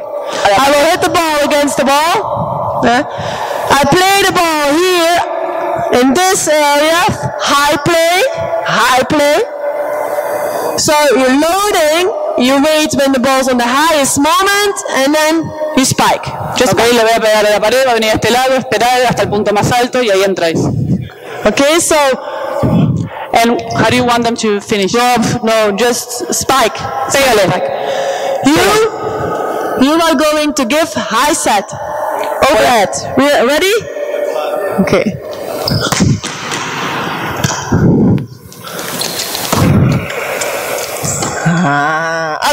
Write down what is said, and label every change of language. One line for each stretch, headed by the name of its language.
English: I will hit the ball against the wall. Yeah. I play the ball here in this area. High play. High play. So you're loading. You wait when the ball's on the highest moment and then you spike. Just okay,
Spanish: le voy a pegar a la pared, va a venir a este lado, esperar hasta el punto más alto y ahí entráis.
English: Okay, so. And how do you want them to finish? No, just spike.
Spanish: Pégale.
English: You are going to give high set. Overhead. Ready? Okay.